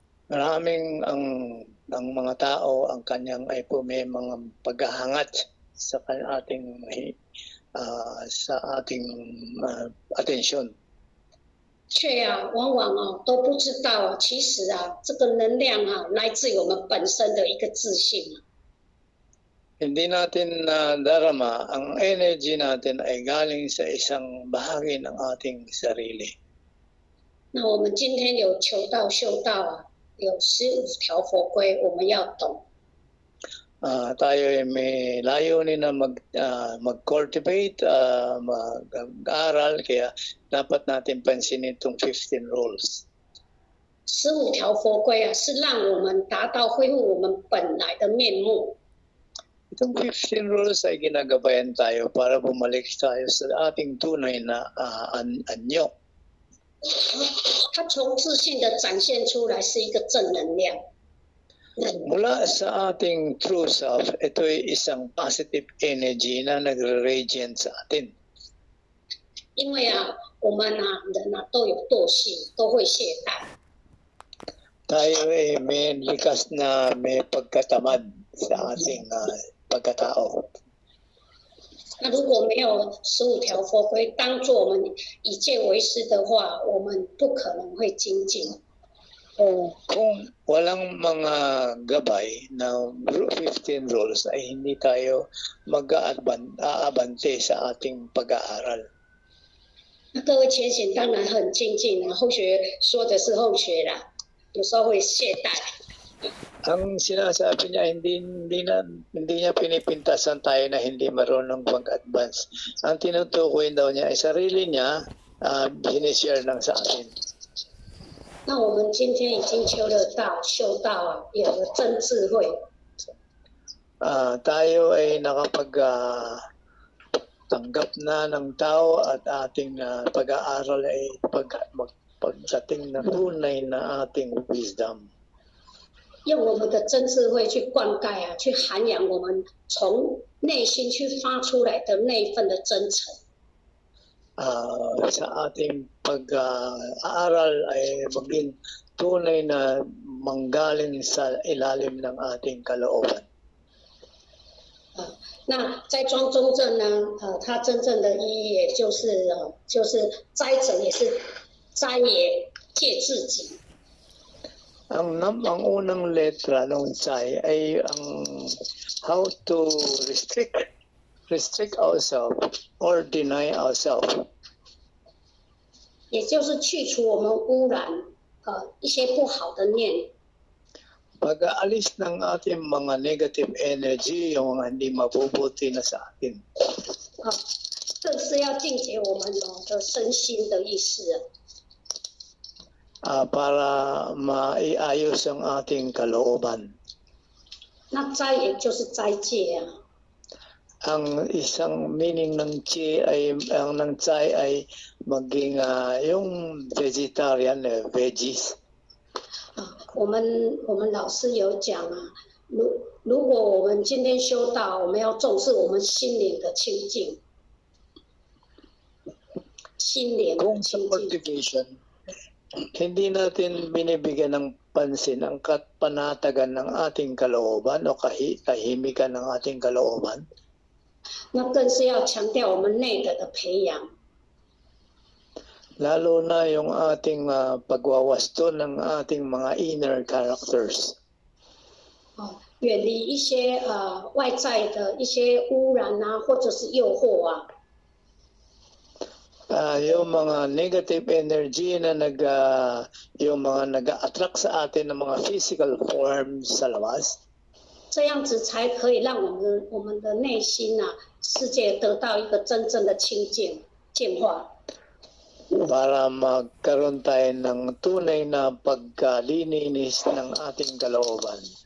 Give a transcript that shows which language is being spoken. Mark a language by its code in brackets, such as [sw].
[tl] Maraming ang mga tao, ang kanyang ipo may mga paghahangat sa ating atensyon. [zh] 却啊，往往啊都不知道，其实啊，这个能量啊，来自于我们本身的一个自信。 [tl] Hindi natin na darama ang energy natin ay galing sa isang bahagi ng ating sarili. [zh] 那我们今天有求道、修道啊，有十五条佛规，我们要懂。 [tl] Tayo ay may layunin na mag-cultivate, mag-aral, kaya dapat natin pansinin itong 15 rules. [zh] 15 条佛规啊，是让我们达到恢复我们本来的面目。 [tl] Itong 15 rules ay ginagabayan tayo para bumalik tayo sa ating tunay na anyo. [zh] 它从自信的展现出来是一个正能量。 [tl] Mula sa ating true self, ito'y isang positive energy na nagre-radiant sa atin. Kasi ah, umano na natin to yung dosi, to hoy sige. Tayo ay may likas na may pagkatamad sa ating pagkatao. Na kung may [zh] 15 条佛规当作我们以戒为师的话，我们不可能会精进。 [tl] Kung walang mga gabay na 15 rules ay hindi tayo mag-aabante sa ating pag-aaral. [zh] 各位前贤当然很精进啊，后学说的是后学啦，有时候会懈怠。 [tl] Ang sinasabi niya hindi niya pinipintasan tayo na hindi marunong mag-advance. Ang tinutukoy daw niya ay sarili niya binishare lang sa atin. [zh] 那我们今天已经求了道、修道啊，有了真智慧。 [tl] Tayo ay nakapag-tanggap na ng tao at ating pag-aaral ay pagsating na tunay na ating wisdom. [zh] 用我们的真智慧去灌溉啊，去涵养我们从内心去发出来的那一份的真诚。 [tl] Sa ating pag-aaral ay maging tunay na manggaling sa ilalim ng ating kalooban. [zh] Na, 在庄中正呢，它真正的意义也就是斋者也是斋也戒自己。 [tl] Ang unang letra ng tsai ay ang [en] how to restrict ourselves or deny ourselves. [zh] 也就是去除我们污染一些不好的念。 [tl] Pag-aalis ng ating mga negative energy, yung mga hindi mabubuti na sa atin. [zh] 这是要净洁我们的身心的意思。 [tl] Para maiayos ang ating kalooban. [zh] 那斋也就是斋戒啊。 [tl] Ang isang meaning ng chi ay ang ng chai ay maging yung vegetarian na veggies. [zh] 我们老师有讲啊，如如果我们今天修道，我们要重视我们心灵的清净。心灵的清净。 [tl] Kung sa cultivation, hindi natin binibigyan ng pansin ang kapanatagan ng ating kalooban o kahimikan ng ating kalooban. [zh] 那更是要强调我们内的的培养。 [tl] Lalo na yung ating pagwawasto ng ating mga inner characters. [zh] 远离一些外在的一些污染啊，或者是诱惑啊。 [tl] Yung mga negative energy na yung mga nag-attract sa atin ng mga physical forms sa labas. [zh] 这样子才可以让我们的内心啊，世界得到一个真正的清净净化。 [tl] Para magkaroon tayo ng tunay na pagkalininis ng ating kalooban.